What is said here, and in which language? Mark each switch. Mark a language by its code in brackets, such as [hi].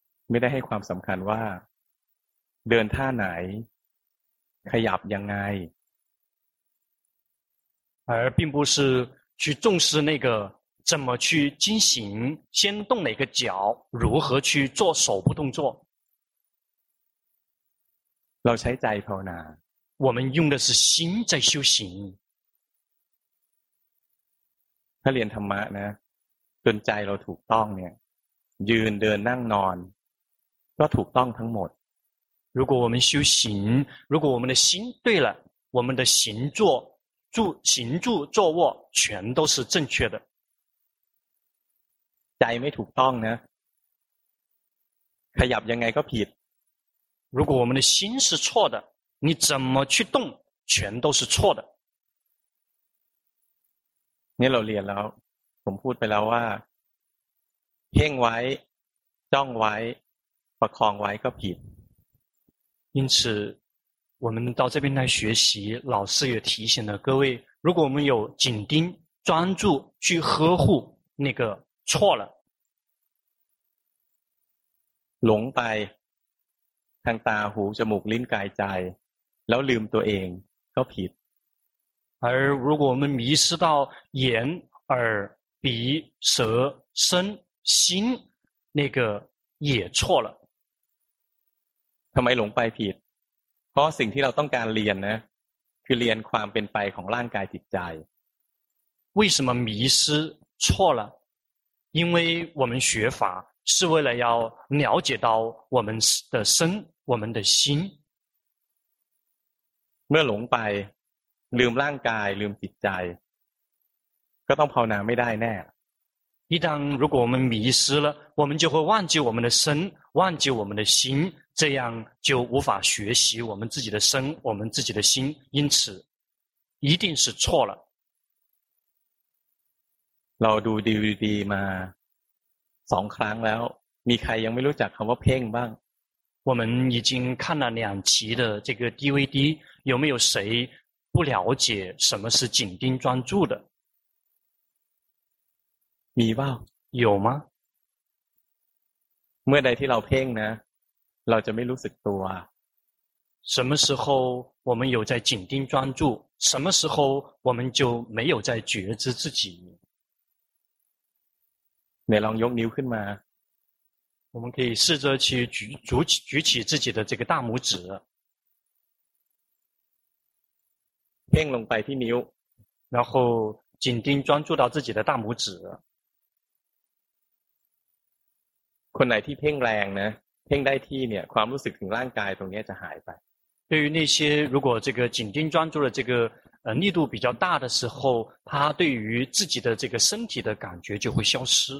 [th] ไม่ได้ให้ความสำคัญว่าเดินท่าไหนขยับยังไง [zh] 而并不是去重视那个怎么去进行先动哪个脚如何去做手部动作 [th] เราใช้ใจภาวนา [zh] 我们用的是心在修行 [th] ถ้าเรียนธรรมะนะจนใจเราถูกต้องเนี่ยยืนเดินนั่งนอนก็ถูกต้องทั้งหมด [zh] 如果我们修行如果我们的心对了我们的行坐住行住坐卧全都是正确的 [th] ใจไม่ถูกต้องนะขยับยังไงก็ผิด [zh] 如果我们的心是错的你怎么去动全都是错的 [th] นี่เราเรียนแล้วผมพูดไปแล้วว่าเพ่งไว้จ้องไว้ประคองไว้ก็ผิด [zh] 因此我们到这边来学习老师也提醒了各位如果我们有紧盯专注去呵护那个错了龙白 [th] ทางตาหูจมูกลิ้นกายใจแล้วลืมตัวเองก็ผิด [zh] 而如果我们迷失到眼耳鼻舌身心那个也错了 [th] ทำไมหลงไปผิดเพราะสิ่งที่เราต้องการเรียนนะคือเรียนความเป็นไปของร่างกายจิตใจ [zh] 为什么迷失错了因为我们学法是为了要了解到我们的身我们的心 [th] เมื่อหลงไปลืมร่างกายลืมจิตใจก็ต้องภาวนาไม่ได้แน่ [zh] 一旦如果我们迷失了我们就会忘记我们的身忘记我们的心这样就无法学习我们自己的身我们自己的心因此一定是错了 [th] ราดู DVD มา2ครั้งแล้วมีใครยังไม่รู้จักคำว่าเพ่งบ้าง [zh] 我们已经看了两期的这个 DVD 有没有谁不了解什么是紧盯专注的 [th] มีบ้าง [zh] 有吗 [th] เมื่อใดที่เราเพ่งนะเราจะไม่รู้สึกตัว [zh] 什么时候我们有在紧盯专注什么时候我们就没有在觉知自己你 [th] ลองยกนิ้วขึ้นมา [zh] 我们可以试着去举起自己的这个大拇指 [th] เพ่งลงไปที่นิ้ว [zh] 然后紧盯专注到自己的大拇指 [th] คนไหนที่เพ่งแรงนะเพ่งได้ที่เนี่ยความรู้สึกถึงร่างกายตรงนี้จะหายไป [zh] 对于那些如果这个紧盯专注的这个力度比较大的时候他对于自己的这个身体的感觉就会消失